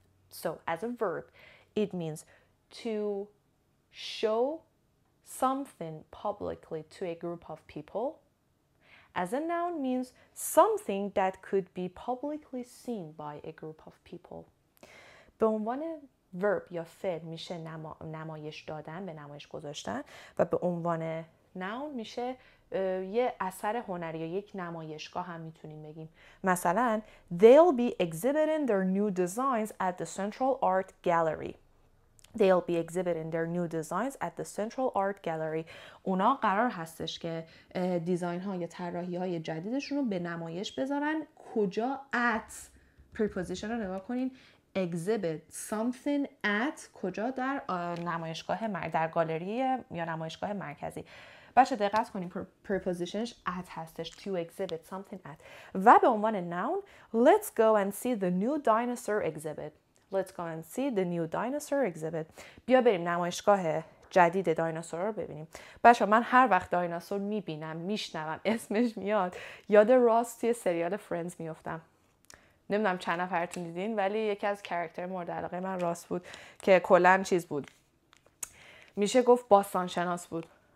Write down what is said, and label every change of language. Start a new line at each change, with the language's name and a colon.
English: So, as a verb, it means to show something publicly to a group of people. As a noun means something that could be publicly seen by a group of people.
Persian: به عنوان ورب یا فعل میشه نمایش دادن، به نمایش گذاشتن، و به عنوان نون میشه یه اثر هنری یا یک نمایشگاه هم میتونیم بگیم.
English: مثلا they'll be exhibiting their new designs at the Central Art Gallery. They'll be exhibiting their new designs at the Central Art Gallery.
Persian: اونا قرار هستش که دیزاین ها یا طراحی های جدیدشون رو به نمایش بذارن. کجا؟ at preposition رو نگاه کنین.
English: Exhibit something at
Persian: کجا؟ در نمایشگاه در گالری یا نمایشگاه مرکزی. بچه دقت کنیم prepositionش at هستش.
English: To exhibit something at.
Persian: و به عنوان
English: noun let's go and see the new dinosaur exhibit. Let's go and see the new dinosaur exhibit.
Persian: بیا بریم نمایشگاه جدید دایناسور رو ببینیم. بچه من هر وقت دایناسور میبینم میشنوم اسمش میاد یاد راست توی سریال فرندز میفتم. نمیدونم چند نفرتون دیدین ولی یکی از کاراکتر مورد علاقه من راست بود که کلن چیز بود، میشه گفت باستانشناس بود.